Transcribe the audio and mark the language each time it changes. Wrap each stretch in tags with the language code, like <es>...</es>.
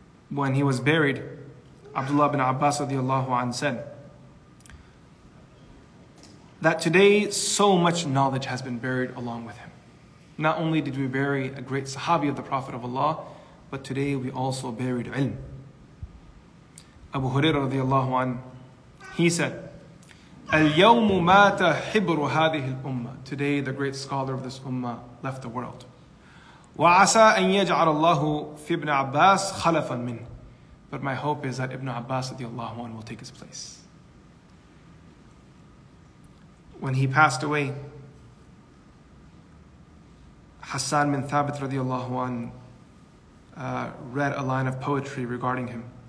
<en>When he was buried, Abdullah bin Abbas radiallahu anhu said that today so much knowledge has been buried along with him. Not only did we bury a great sahabi of the Prophet of Allah, but today we also buried ilm. Abu Huraira radiallahu anhu, he said,</en> <ar>اليوم مات حبر هذه الأمة.</ar> <en>Today the great scholar of this ummah left the world.</en> <ar>وعسى أن يجعل الله في ابن عباس خلفا من.</ar> <en>But my hope is that Ibn Abbas radiallahu anhu will take his place. When he passed away, Hassan bin Thabit radiallahu anhu read a line of poetry regarding him.</en>